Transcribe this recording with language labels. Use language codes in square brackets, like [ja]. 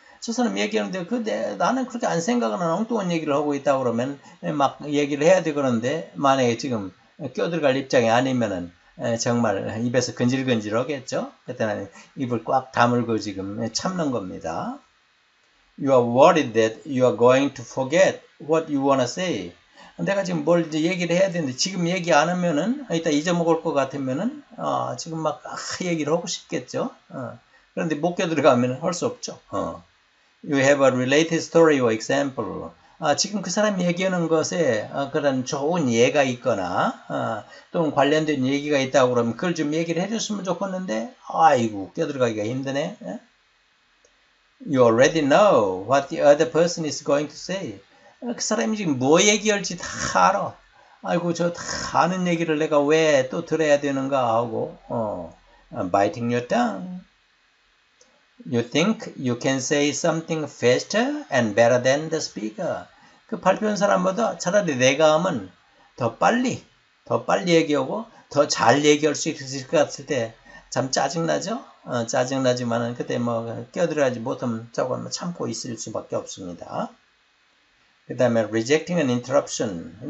[ko] 저 사람 얘기하는데, 나는 그렇게 안 생각하는 엉뚱한 얘기를 하고 있다 그러면 막 얘기를 해야 되는데, 만약에 지금 껴들어갈 입장이 아니면은, 정말 입에서 근질근질 하겠죠? 그때는 입을 꽉 다물고 지금 참는 겁니다. [en] You are worried that you are going to forget what you wanna say. [ko] 내가 지금 뭘 이제 얘기를 해야 되는데 지금 얘기 안 하면은 이따 잊어먹을 것 같으면은 지금 막 얘기를 하고 싶겠죠? 그런데 못 껴들어가면 할수 없죠. [en] You have a related story or example. [ko] 지금 그 사람이 얘기하는 것에 그런 좋은 예가 있거나 또는 관련된 얘기가 있다고 그러면 그걸 좀 얘기를 해줬으면 좋겠는데 아이고 껴들어가기가 힘드네. [en] You already know what the other person is going to say. [ko] 그 사람이 지금 뭐 얘기할지 다 알아. 아이고, 저다 아는 얘기를 내가 왜또 들어야 되는가 하고, [en] I'm biting your tongue. You think you can say something faster and better than the speaker? [ko] 그 발표한 사람보다 차라리 내가 하면 더 빨리 얘기하고 더잘 얘기할 수 있을 것 같을 때참 짜증나죠? 짜증나지만은 그때 뭐 껴들어가지 못하면 저거 참고 있을 수밖에 없습니다. 그 다음에 [en] rejecting an interruption.